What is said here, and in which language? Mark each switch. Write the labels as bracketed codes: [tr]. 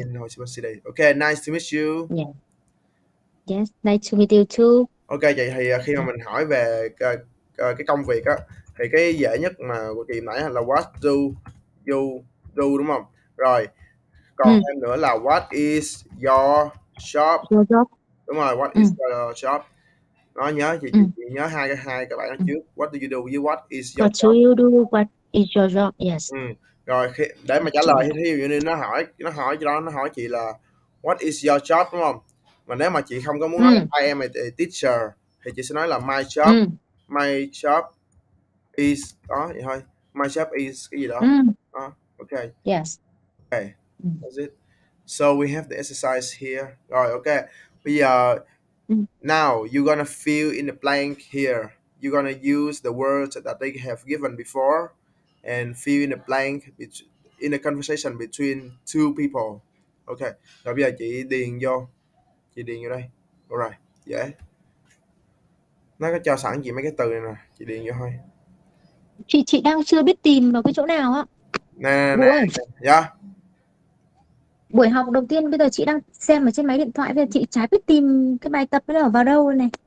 [en] in Ho Chi Minh City. Okay, nice to meet you. Yeah. Yes, nice to meet you [vi] Ok, vậy thì khi mà mình hỏi về cái công việc á, thì cái dễ nhất mà của chị nãy là what do you do đúng không? Rồi, còn [en] too. [vi] thêm nữa là what is your job? Ừ. Job. [en] Đúng rồi, what is your job? [vi] Nó nhớ thì chị nhớ hai cái bạn đó trước. [en] What do you do với what is your job? do you do? What is your job? [vi] Rồi khi, để mà trả lời [en] Yes. [vi] thì ví dụ như nó hỏi cho nó hỏi chị là what is your job đúng không? Mà nếu mà chị không có muốn nói là I am a teacher thì chị sẽ nói là my job is đó vậy thôi. My job is cái gì đó. Đó, ok. [en] Yes. Ok. That's it. So we have the exercise here. Rồi ok. Bây giờ now you're gonna fill in the blank here. You're gonna use the words that they have given before and fill in the blank in the conversation between two people. Ok. [vi] Rồi bây giờ chị điền vô đây. Alright, dễ. Nó có cho sẵn chị mấy cái từ này nè, chị điền vô thôi. Chị đang chưa biết tìm vào cái chỗ nào á. Nè Vũ nè ơi, nè, buổi học đầu tiên bây giờ chị đang xem ở trên máy điện thoại, bây giờ chị chả biết tìm cái bài tập nó ở vào đâu này.